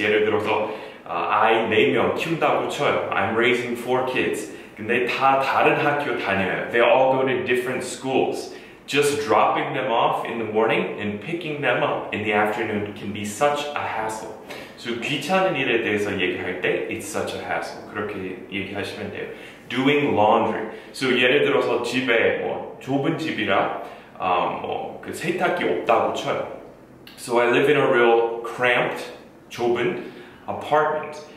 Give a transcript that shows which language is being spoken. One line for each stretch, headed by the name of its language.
Korean: 예를 들어서 아이 4명 키운다고 쳐요.
English: I'm raising 4 kids.
Korean: 근데 다 다른 학교 다녀요.
English: They all go to different schools. Just dropping them off in the morning and picking them up in the afternoon can be such a hassle. So
Korean: 귀찮은 일에 대해서 얘기할 때
English: it's such a hassle.
Korean: 그렇게 얘기하시면 돼요.
English: Doing laundry.
Korean: So 예를 들어서 집에 뭐 좁은 집이라 뭐 그 세탁기 없다고 쳐요.
English: So I live in a real cramped, 좁은 apartment.